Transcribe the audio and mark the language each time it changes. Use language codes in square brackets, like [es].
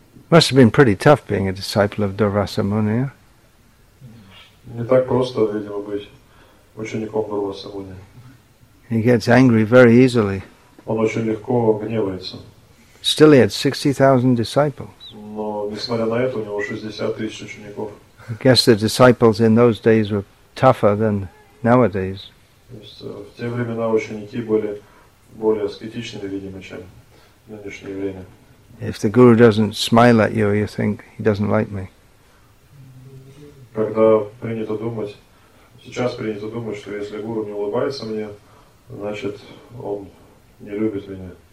[en] Must have been pretty tough being a disciple of Durvasa Muni. [ru] Не так просто, видимо, быть учеником Дурвасы Муни. [en] He gets angry very easily. [ru] Он очень легко гневается. [en] Still he had 60,000 disciples. [ru] Но несмотря на это, у него 60 тысяч учеников. [en] I guess the disciples in those days were tougher than nowadays. [ru] В те времена ученики были более аскетичными, видимо, чем в нынешнее время. [en] If the guru doesn't smile at you, you think he doesn't like me. [ru] Когда принято думать, сейчас принято думать, что если гуру не улыбается мне, значит, он не любит меня.